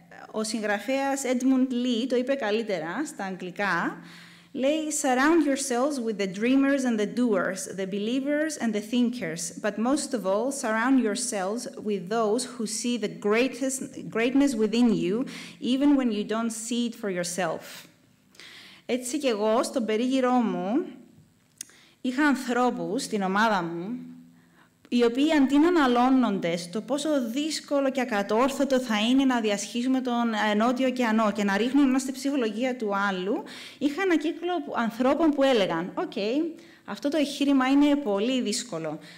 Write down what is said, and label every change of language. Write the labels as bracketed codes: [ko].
[el] Ο συγγραφέας Edmund Lee το είπε καλύτερα στα αγγλικά. Λέει, [en] surround yourselves with the dreamers and the doers, the believers and the thinkers, but most of all, surround yourselves with those who see the greatness within you, even when you don't see it for yourself. [el] Έτσι και εγώ, στον περίγυρό μου, είχα ανθρώπους στην ομάδα μου, οι οποίοι αντί να αναλώνονται στο πόσο δύσκολο και ακατόρθωτο θα είναι να διασχίσουμε τον νότιο ωκεανό και να ρίχνουν ένα στη ψυχολογία του άλλου, είχα ένα κύκλο ανθρώπων που έλεγαν «Οκ, αυτό το εγχείρημα είναι πολύ δύσκολο.